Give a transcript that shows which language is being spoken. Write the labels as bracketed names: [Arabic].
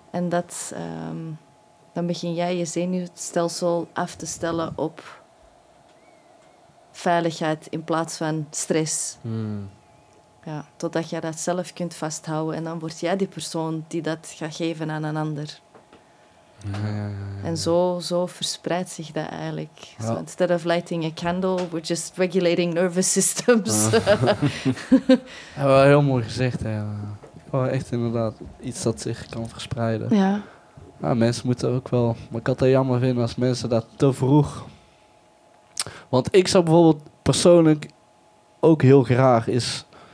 [Dutch] En dat dan begin jij je zenuwstelsel af te stellen op veiligheid in plaats van stress. Hmm. Ja, totdat jij dat zelf kunt vasthouden en dan word jij die persoon die dat gaat geven aan een ander. Ja. En zo verspreidt zich dat eigenlijk. Ja. [English] So instead of lighting a candle, we're just regulating nervous systems. [Dutch] Ja. Ja, wel heel mooi gezegd. Ja. Oh, echt inderdaad, iets dat zich kan verspreiden. Ja. Ja, mensen moeten ook wel... Maar ik had het jammer vinden als mensen dat te vroeg... Want ik zou bijvoorbeeld persoonlijk ook heel graag is...